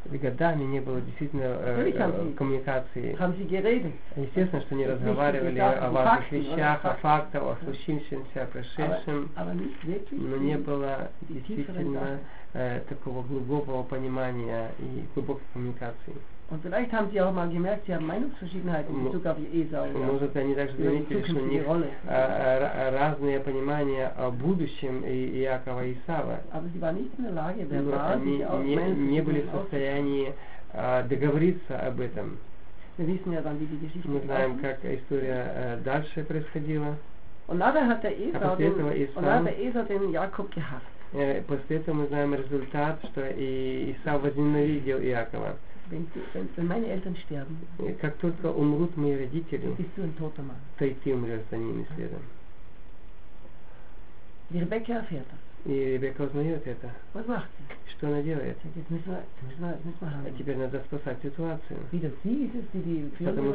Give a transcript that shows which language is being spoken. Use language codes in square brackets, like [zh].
[ru] Годами не было действительно коммуникации. [de] Haben sie geredet. [ru] Естественно, что они разговаривали о важных вещах, о фактах, о случившемся, о прошедшем. Но не было действительно такого глубокого понимания и глубокой коммуникации. [de] Und vielleicht haben sie auch mal gemerkt, sie haben Meinungsverschiedenheiten in Bezug auf Esau. [ru] Может, они также заметили, что у них разные понимания о будущем Иакова и Исава. [de] Aber sie waren nicht in der Lage, verbal sich auf Meinungsverschiedenheiten [ru] не были в состоянии договориться об этом. [de] Wir wissen ja dann, wie die Geschichte [ru] мы знаем, как история дальше происходила. [de] Und nachher hat der Esau den Jakob gehasst. [ru] После этого мы знаем результат, что Исав возненавидел Иакова. [de] Wenn meine Eltern sterben, [ru] как только умрут мои родители, то и ты умрешь за ними следом. И Ребекка узнает это. Послушайте. Что она делает? А теперь надо спасать ситуацию. Потому